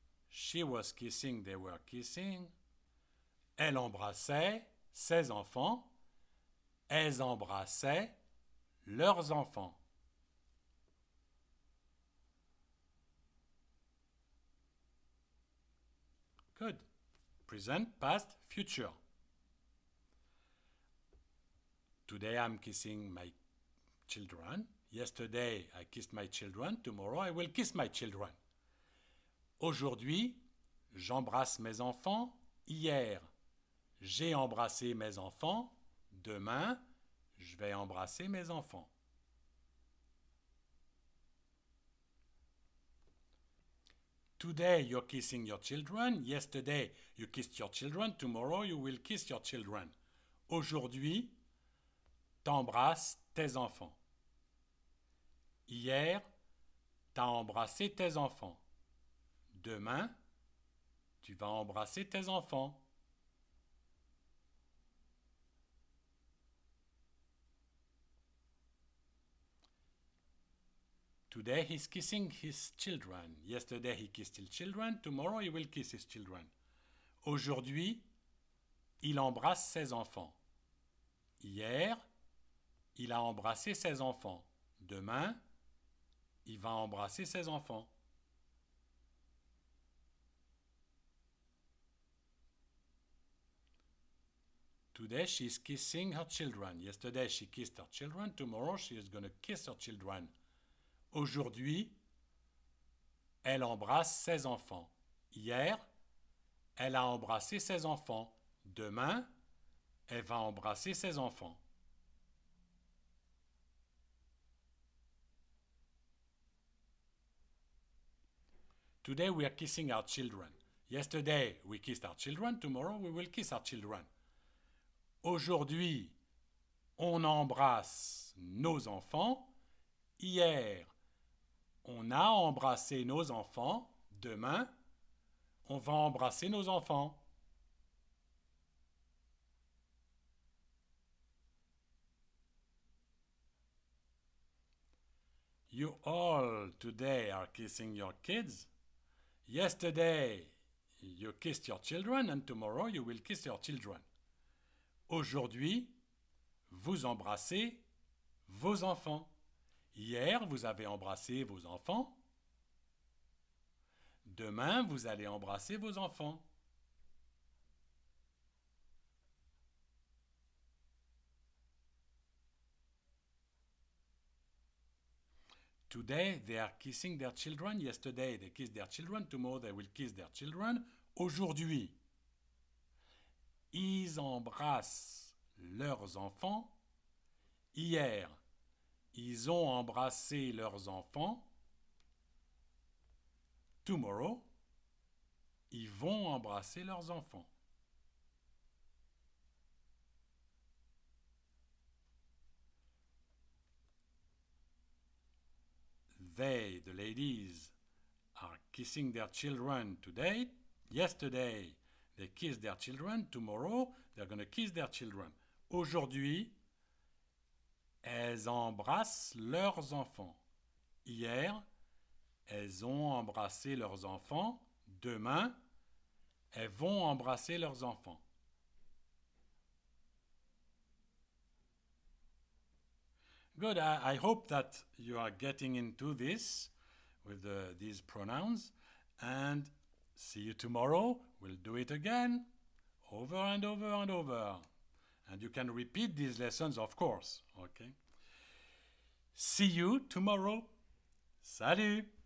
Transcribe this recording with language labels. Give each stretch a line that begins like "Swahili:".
English: She was kissing, they were kissing.
French: Elle embrassait ses enfants. Elles embrassaient leurs enfants.
English: Good. Present, past, future. Today I'm kissing my children. Yesterday I kissed my children. Tomorrow I will kiss my children.
French: Aujourd'hui, j'embrasse mes enfants. Hier, j'ai embrassé mes enfants. Demain, je vais embrasser mes enfants.
English: Today you're kissing your children. Yesterday you kissed your children. Tomorrow you will kiss your children.
French: Aujourd'hui, t'embrasses tes enfants. Hier, t'as embrassé tes enfants. Demain, tu vas embrasser tes enfants.
English: Today, he's kissing his children. Yesterday, he kissed his children. Tomorrow, he will kiss his children.
French: Aujourd'hui, il embrasse ses enfants. Hier, il a embrassé ses enfants. Demain, il va embrasser ses enfants.
English: Today, she's kissing her children. Yesterday, she kissed her children. Tomorrow, she is going to kiss her children.
French: Aujourd'hui, elle embrasse ses enfants. Hier, elle a embrassé ses enfants. Demain, elle va embrasser ses enfants.
English: Today we are kissing our children. Yesterday we kissed our children. Tomorrow we will kiss our children.
French: Aujourd'hui, on embrasse nos enfants. Hier, on a embrassé nos enfants. Demain, on va embrasser nos enfants.
English: You all today are kissing your kids. Yesterday, you kissed your children, and tomorrow you will kiss your children.
French: Aujourd'hui, vous embrassez vos enfants. Hier, vous avez embrassé vos enfants. Demain, vous allez embrasser vos enfants.
English: Today they are kissing their children. Yesterday they kissed their children. Tomorrow they will kiss their children.
French: Aujourd'hui, ils embrassent leurs enfants. Hier, ils ont embrassé leurs enfants.
English: Tomorrow,
French: ils vont embrasser leurs enfants.
English: they, the ladies, are kissing their children today, yesterday, they kissed their children, tomorrow, they're going to kiss their children.
French: Aujourd'hui, elles embrassent leurs enfants. Hier, elles ont embrassé leurs enfants. Demain, elles vont embrasser leurs enfants.
English: Good, I hope that you are getting into this with these pronouns. And see you tomorrow. We'll do it again, over and over and over. And you can repeat these lessons, of course, okay? See you tomorrow. Salut!